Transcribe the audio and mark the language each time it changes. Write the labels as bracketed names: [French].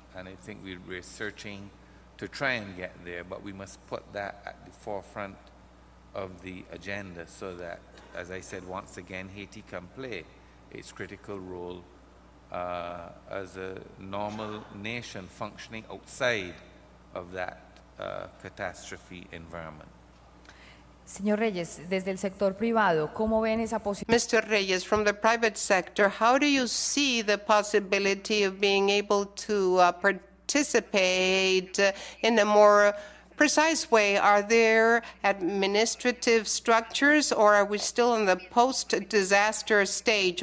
[English] And I think we're searching to try and get there, but we must put that at the forefront of the agenda so that, as I said, once again, Haiti can play its critical role as a normal nation functioning outside of that catastrophe environment. [Spanish] Señor Reyes, desde el sector privado, ¿cómo ven esa [English] Mr. Reyes, from the private sector, how do you see the possibility of being able to participate in a more precise way? Are there administrative structures, or are we still in the post-disaster stage?